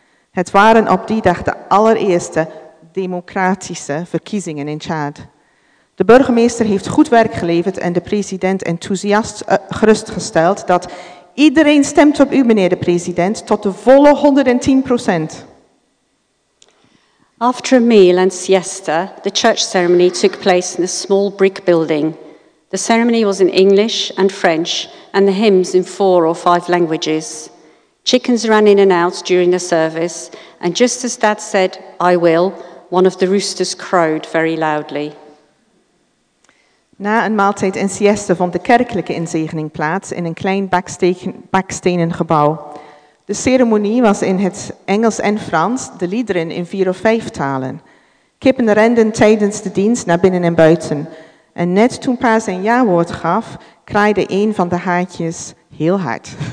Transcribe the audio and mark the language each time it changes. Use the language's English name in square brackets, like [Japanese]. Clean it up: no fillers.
[Dutch] Het waren op die dag de allereerste democratische verkiezingen in Chad. De burgemeester heeft goed werk geleverd en de president enthousiast gerustgesteld dat iedereen stemt op u, meneer de president, tot de volle 110%. [English] After a meal and siesta, the church ceremony took place in a small brick building. The ceremony was in English and French, and the hymns in four or five languages. Chickens ran in and out during the service, and just as Dad said, I will, one of the roosters crowed very loudly. [Dutch] Na een maaltijd en siesta vond de kerkelijke inzegening plaats in een klein bakstenen gebouw. De ceremonie was in het Engels en Frans, de liederen in vier of vijf talen. Kippen renden tijdens de dienst naar binnen en buiten. En net toen pa zijn ja-woord gaf, kraaide een van de haartjes heel hard.